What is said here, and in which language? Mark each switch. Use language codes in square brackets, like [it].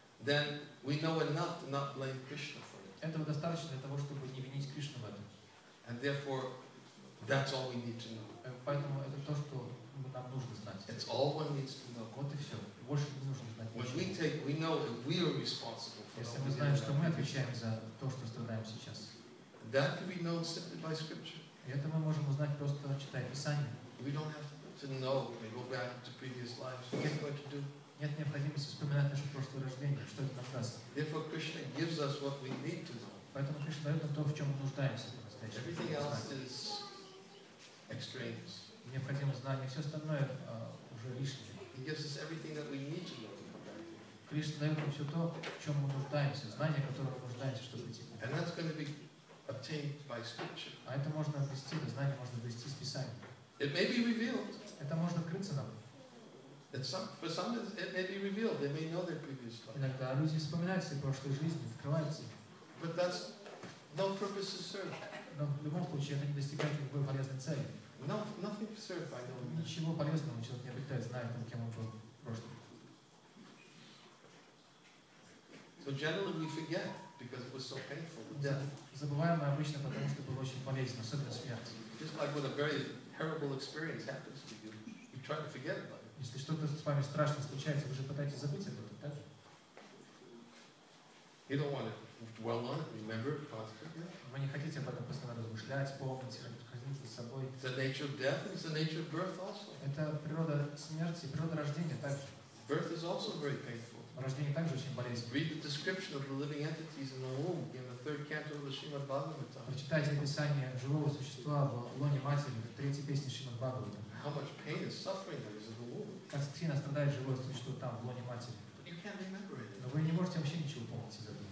[en] Then we know enough to not blame Krishna for it. [ru] Этого достаточно для того, чтобы не винить Кришну в этом. [en] And therefore, that's all we need to know. [ru] Поэтому это то, что нам нужно знать. [en] It's all one needs to know. [ru] Вот и все. Больше не нужно знать. [en] When we take, we know that we are responsible for. [ru] Если мы знаем, что мы отвечаем за то, что страдаем сейчас. [en] That can be known simply by scripture. [ru] И это мы можем узнать, просто читая Писание. [en] We don't have to know and go back to previous lives. What are we going to do? [ru] Нет необходимости вспоминать наше прошлое рождение, что это нам даст. [en] Therefore, Krishna gives us what we need to know. [ru] Поэтому Кришна дает нам то, в чем мы нуждаемся. [en] Everything else is extraneous. [ru] Необходимо знание, все остальное уже лишнее. [en] He gives us everything that we need to know. [ru] Кришна дает нам все то, в чем мы нуждаемся, знание, которое мы нуждаемся, чтобы идти. [en] And that's going to be obtained by scripture. [ru] А это можно обрести, знание можно обрести из Писания. [en] It may be revealed. [ru] Это можно открыться нам. [en] For some, it may be revealed. They may know their previous life. [ru] Иногда люди вспоминают свои прошлые жизни, открываются. [en] But that's no purpose is served. [ru] Но в любом случае это не достигает никакой полезной цели. [en] No, nothing is served by knowing. [ru] Ничего полезного человек не обретает, зная, кем он был в прошлом. [en] So generally we forget because it was so painful. [ru] Да. Забываем мы обычно, потому что было очень полезно, особенно смерть. [en] Just like when a very terrible experience happens to you, you try to forget about it. [ru] Если что-то с вами страшно случается, вы же пытаетесь забыть об этом, так? [en] You don't want to dwell on it, remember it constantly. [ru] Вы не хотите об этом постоянно размышлять, помнить, разбираться с собой. [en] It's the nature of death, it's the nature of birth also. [ru] Это природа смерти, природа рождения также. [en] Birth is also very painful. [ru] Рождение также очень болезненно. [en] Read the description of the living entities in the womb in the third canto of the Srimad Bhagavatam. [ru] Прочитайте описание живого существа в лоне матери, в третьей песне Шримад Бхагаватам. [en] How much pain and suffering there is in the womb. [ru] Как сильно страдает живое существо там, в лоне матери. [en] But you can't remember it. [ru] Но вы не можете вообще ничего помнить из этого.